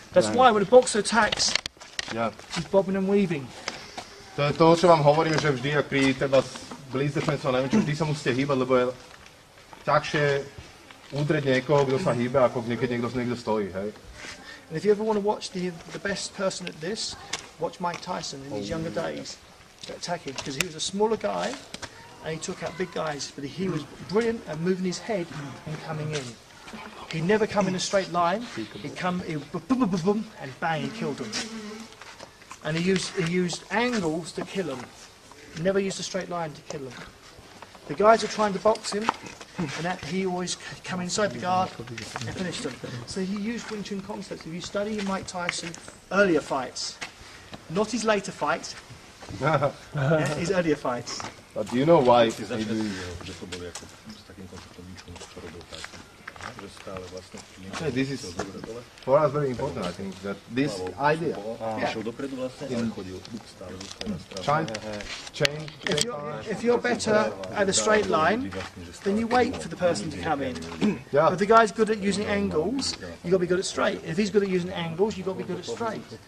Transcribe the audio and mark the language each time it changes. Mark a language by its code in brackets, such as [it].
[en] That's why when a boxer attacks, he's bobbing and weaving. [sk] To je to, čo vám hovorím, že vždy, ak pri teda blízde fencu, neviem čo, vždy sa musíte hýbať, lebo je ťažšie udrieť niekoho, kto sa hýbe, ako keď niekto stojí, hej. [en] And if you ever want to watch the best person at this, watch Mike Tyson in his younger days. Yeah. Attacking, because he was a smaller guy and he took out big guys, but he was brilliant at moving his head and coming in. He'd never come in a straight line, he'd come, and bang, he killed him. And he used angles to kill him. He never used a straight line to kill him. The guys are trying to box him. And that he always come inside the guard and finished them. So he used Wing Chun concepts. If you study Mike Tyson earlier fights, not his later fights, his earlier fights. But do you know why? [sk] Že to bolo ako s takým konceptom Wing Chun, čo robil Tyson. [en] Hey, this is for us very important, I think, that this idea if you're better at a straight line, then you wait for the person to come in. Yeah. If the guy's good at using angles, you've got to be good at straight. If he's good at using angles, you've got to be good at straight.